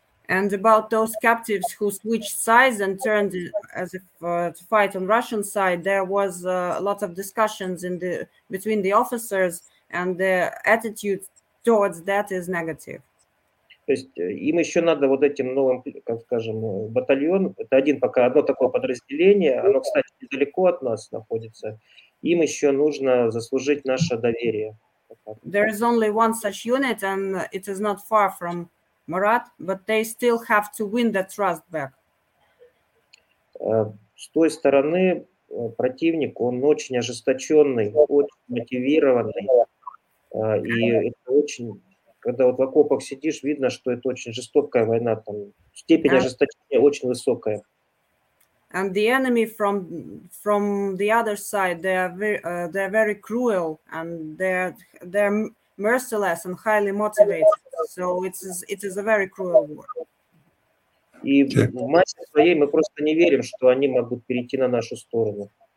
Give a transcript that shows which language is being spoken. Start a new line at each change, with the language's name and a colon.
English: And about those captives who switched sides and turned as if to fight on Russian side, there was a lot of discussions between the officers, and the attitude towards that is negative.
Russian: То есть им еще надо вот этим новым, как скажем, батальон, это один пока, одно такое подразделение, оно, кстати, недалеко от нас находится, им еще нужно заслужить наше доверие.
English: There is only one such unit, and it is not far from Murat, but they still have to win the trust back.
Russian: С той стороны противник, он очень ожесточенный, очень мотивированный, и это очень, когда вот в окопах сидишь, видно, что это очень жестокая война, там степень ожесточения очень высокая.
English: And the enemy from the other side, they are very cruel, and they're merciless and highly motivated. So it is a very cruel war.
Russian: И в массе своей мы просто не верим, что они могут перейти на нашу сторону.